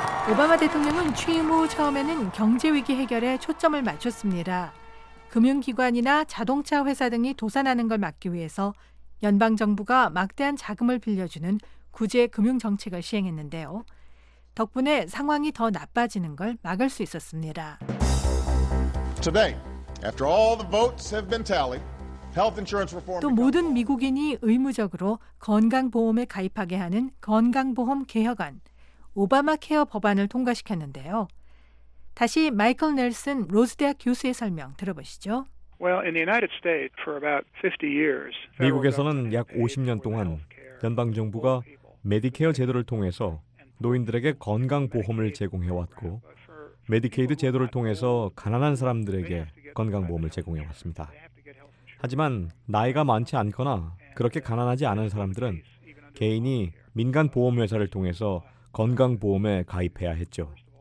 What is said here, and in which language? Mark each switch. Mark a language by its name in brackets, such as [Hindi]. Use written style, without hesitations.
[Korean] 오바마 대통령은 취임 후 처음에는 경제위기 해결에 초점을 맞췄습니다. 금융기관이나 자동차 회사 등이 도산하는 걸 막기 위해서 연방정부가 막대한 자금을 빌려주는 구제금융정책을 시행했는데요. 덕분에 상황이 더 나빠지는 걸 막을 수 있었습니다. [English] Today, after all the votes have been tallied, health insurance reform. [Korean] 또 모든 미국인이 의무적으로 건강보험에 가입하게 하는 건강보험 개혁안, 오바마 케어 법안을 통과시켰는데요. 다시 마이클 넬슨 로즈대학 교수의 설명 들어보시죠. [English] Well, in the United States, for about 50 years, [Korean] 미국에서는 약 50년 동안 연방 정부가 메디케어 제도를 통해서 노인들에게 건강보험을 제공해왔고 메디케이드 제도를 통해서 가난한 사람들에게 건강보험을 제공해왔습니다. 하지만 나이가 많지 않거나 그렇게 가난하지 않은 사람들은 개인이 민간보험회사를 통해서 건강보험에 가입해야 했죠.